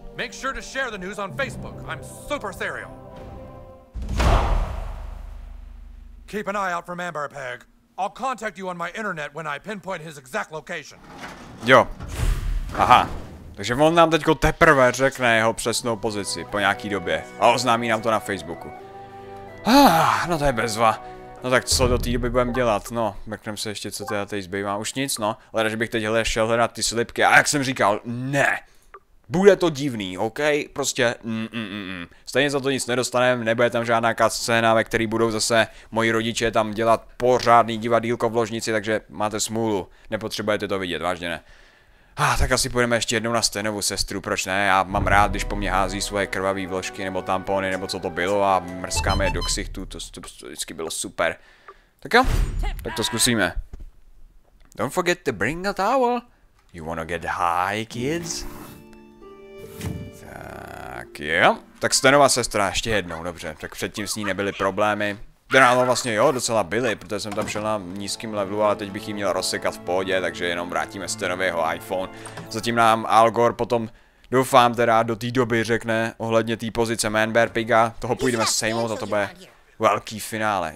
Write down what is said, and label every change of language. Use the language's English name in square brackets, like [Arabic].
[English] Make sure to share the news on Facebook. I'm super serial. Keep an eye out for Man Bear Pig. I'll contact you on my internet when I pinpoint his exact location. [Czech] Jo. Aha. Takže on nám teďko teprve řekne jeho přesnou pozici po nějaký době. A oznámí nám to na Facebooku. No to je bezva. No tak co do té doby budeme dělat? No, mrknem se ještě, co teda tady zbývá. Už nic, no. Leda, že bych teď šel hledat ty slipky. A jak jsem říkal, ne. Bude to divný, ok? Prostě Stejně za to nic nedostaneme, nebude tam žádná cutscéna, ve který budou zase moji rodiče tam dělat pořádný divadýlko v ložnici, takže máte smůlu. Nepotřebujete to vidět, vážně ne. Tak asi půjdeme ještě jednou na Stenovu sestru, proč ne? Já mám rád, když po mně hází svoje krvavé vložky nebo tampony nebo co to bylo a mrskáme je do ksichtu, to vždycky bylo super. Tak jo, tak to zkusíme. [English] Don't forget to bring a towel. You wanna get high, kids? [Czech] Tak jo, tak Stenova sestra ještě jednou, dobře, tak předtím s ní nebyly problémy. Generálno vlastně jo, docela byly, protože jsem tam šel na nízkým levelu, ale teď bych jí měl rozsekat v pohodě, takže jenom vrátíme Stenovi jeho iPhone. Zatím nám Al Gore potom, doufám teda, do té doby řekne ohledně té pozice Man Bear Piga, toho půjdeme sejmout a to bude velký finále.